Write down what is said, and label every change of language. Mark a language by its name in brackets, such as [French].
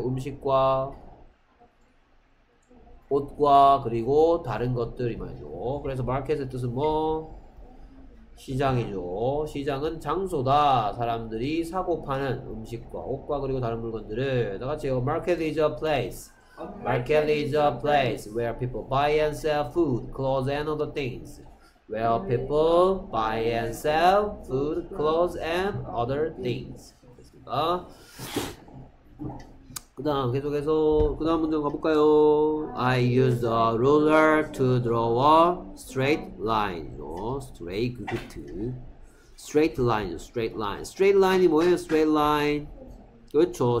[Korean] 음식과 옷과 그리고 다른 것들이 말이죠. 그래서 마켓의 뜻은 뭐? 시장이죠. 시장은 장소다. 사람들이 사고 파는 음식과 옷과 그리고 다른 물건들을. 다 같이요. [English] Market is a place. Market is a place where people buy and sell food, clothes and other things. Where people buy and sell food, clothes and other things. [Korean] 됐습니까? 그 다음 계속해서 그 다음 문장 가볼까요? [English] I use a ruler to draw a straight line. Straight, good. Straight line, straight line. Straight line이 [Korean] 뭐예요? [English] Straight line. [Korean] 그렇죠.